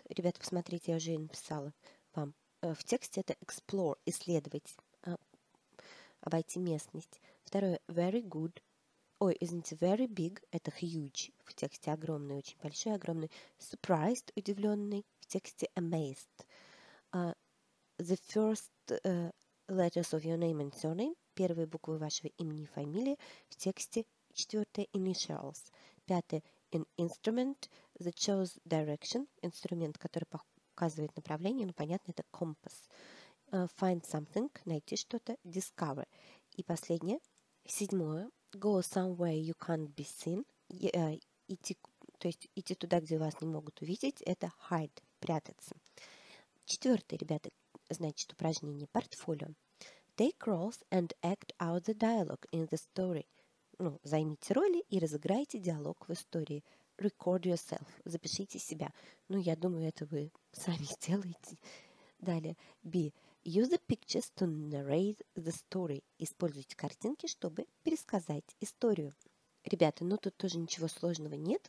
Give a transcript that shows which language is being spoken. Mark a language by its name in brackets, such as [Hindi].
[Russian] Ребята, посмотрите, я уже и написала вам. В тексте это explore, исследовать, обойти местность. Второе. [English] Very good. [Russian] Ой, извините, [English] very big. [Russian] Это [English] huge. [Russian] В тексте огромный, очень большой, огромный. Surprised, удивленный. В тексте amazed. [English] The first letters of your name and surname. [Russian] Первые буквы вашего имени и фамилии. В тексте четвертое. [English] Initials. [Russian] Пятое. [English] An instrument that shows direction. [Russian] Инструмент, который показывает направление. Ну, понятно, это compass. [English] Find something. [Russian] Найти что-то. Discover. И последнее. Седьмое. [English] Go somewhere you can't be seen. [Russian] Идти, то есть идти туда, где вас не могут увидеть. Это hide. Прятаться. Четвертое, ребята. Значит, упражнение портфолио. [English] Take roles and act out the dialogue in the story. [Russian] Ну, займите роли и разыграйте диалог в истории. [English] Record yourself. [Russian] Запишите себя. Ну, я думаю, это вы сами сделаете. Далее. [English] B. Use the pictures to narrate the story. [Russian] Используйте картинки, чтобы пересказать историю. Ребята, ну тут тоже ничего сложного нет.